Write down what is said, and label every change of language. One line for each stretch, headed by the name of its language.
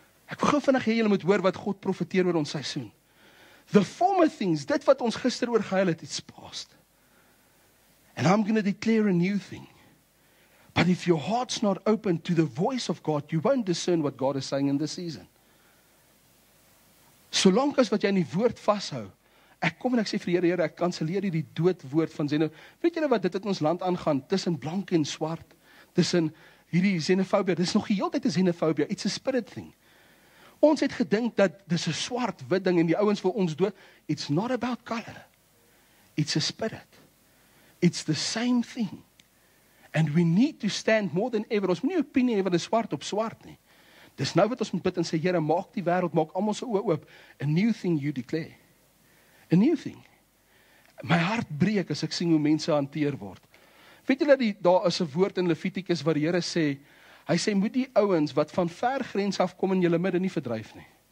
Afrikaans: Ek wil gou vinnig hê julle moet hoor wat God profeteer oor ons seisoen.
English: The former things,
Afrikaans: dit wat ons gister oor gehuil het,
English: it's past. And I'm going to declare a new thing. But if your heart's not open to the voice of God, you won't discern what God is saying in this season.
Afrikaans: Solank as wat jy in die woord vashou, ek kom en ek sê vir Here, Here, ek kanselleer hierdie dood woord van xenofobie. Weet julle wat dit het ons land aangaan tussen blank en swart, tussen hierdie xenofobie. Dis nog die hele tyd 'n xenofobie,
English: it's a spirit thing.
Afrikaans: Ons het gedink dat dis 'n swart wit ding en die ouens wil ons dood.
English: It's not about color. It's a spirit. It's the same thing. And we need to stand more than ever.
Afrikaans: Ons moet nie opinie hê van 'n swart op swart nie. Dis nou wat ons moet bid en sê, Here, maak die wêreld, maak almal se oë oop.
English: A new thing you declare. A new thing.
Afrikaans: My hart breek as ek sien hoe mense hanteer word. Weet julle daar is 'n woord in Levitikus waar die Here sê, hy sê moet die ouens wat van ver grens af kom in julle midde nie verdryf nie.